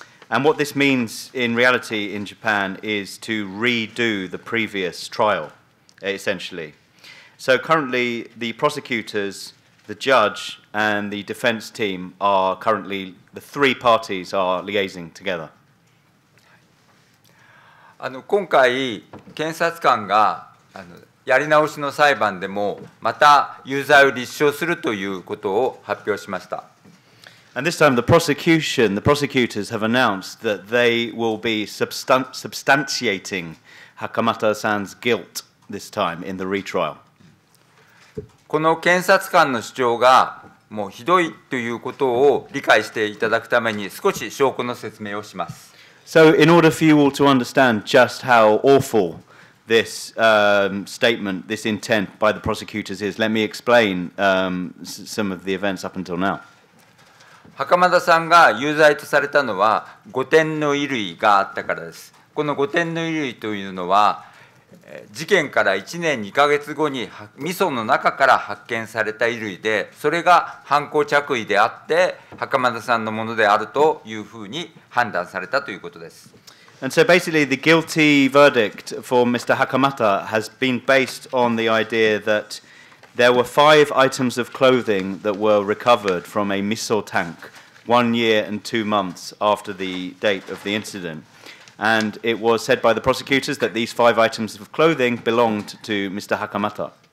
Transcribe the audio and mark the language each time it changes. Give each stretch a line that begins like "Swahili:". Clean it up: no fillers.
English: And what this means in reality in Japan is to redo the previous trial, essentially. So currently the prosecutors, the judge and the defense team are currently, the three parties are liaising together.
Japanese: 今回検察官がやり直しの裁判でもまた有罪を立証するということを発表しました。
English: And this time the prosecution, the prosecutors have announced that they will be substantiating Hakamata-san's guilt this time in the retrial.
Japanese: この検察官の主張がもうひどいということを理解していただくために少し証拠の説明をします。
English: So in order for you all to understand just how awful this statement, this intent by the prosecutors is, let me explain some of the events up until now.
Japanese: 袴田さんが有罪とされたのは5点の衣類があったからです。この5点の衣類というのは事件から1年2ヶ月後に味噌の中から発見された衣類で、それが犯行着衣であって袴田さんのものであるというふうに判断されたということです。
English: And so basically the guilty verdict for Mr. Hakamata has been based on the idea that there were five items of clothing that were recovered from a miso tank 1 year and 2 months after the date of the incident. And it was said by the prosecutors that these five items of clothing belonged to Mr. Hakamata.